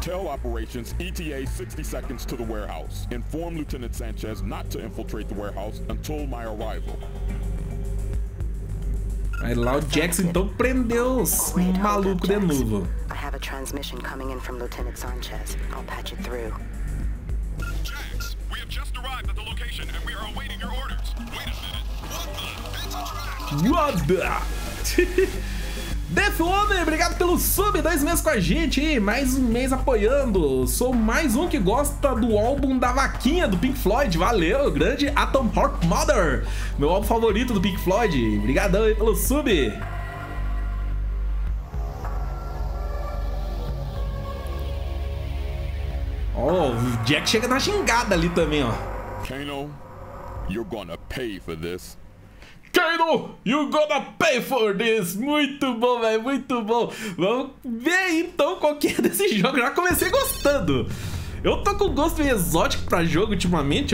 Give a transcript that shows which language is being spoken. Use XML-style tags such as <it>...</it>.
<en>Tell operations ETA 60 seconds to the warehouse. Inform Lieutenant Sanchez not to infiltrate the warehouse until my arrival.</en> <pt>Aí lá o Jackson então prendeu os maluco de novo.</pt> <en>I have a transmission coming in from Lieutenant Sanchez. I'll patch it through. Jax, we have just arrived at the location and we are awaiting your orders. Wait a minute. What the?</en> <pt>Defone, obrigado pelo sub, 2 meses com a gente, mais um mês apoiando. Sou mais um que gosta do álbum da vaquinha do Pink Floyd. Valeu, grande Atom Heart Mother. Meu álbum favorito do Pink Floyd. Obrigadão aí pelo sub. Ó, oh, o Jack chega na gingada ali também, ó.</pt> <en>Kano, you're gonna pay for this. Kano, you gonna pay for this!</en> <pt>Muito bom, velho, muito bom! Vamos ver aí, então, qual que é desse jogo. Já comecei gostando! Eu tô com gosto meio exótico pra jogo ultimamente.</pt>